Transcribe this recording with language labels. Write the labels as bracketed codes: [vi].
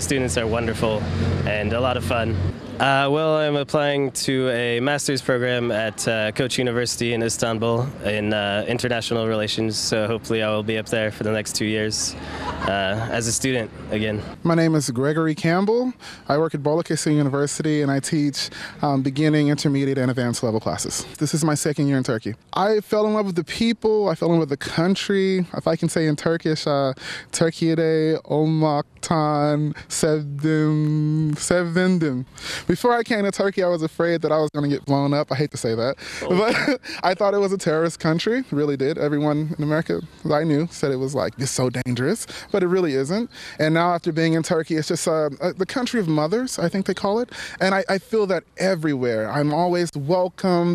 [en] The students are wonderful and a lot of fun. Well, I'm applying to a master's program at Koch University in Istanbul in international relations, so hopefully I will be up there for the next 2 years as a student again. My name is Gregory Campbell. I work at Balıkesir University, and I teach beginning, intermediate, and advanced level classes. This is my second year in Turkey. I fell in love with the people. I fell in love with the country. If I can say in Turkish, [tr] Türkiye'de olmaktan sevindim. [en] Before I came to Turkey, I was afraid that I was going to get blown up. I hate to say that. Oh. But I thought it was a terrorist country. Really did. Everyone in America that I knew said it was like, it's so dangerous. But it really isn't. And now after being in Turkey, it's just the country of mothers, I think they call it. And I feel that everywhere. I'm always welcome.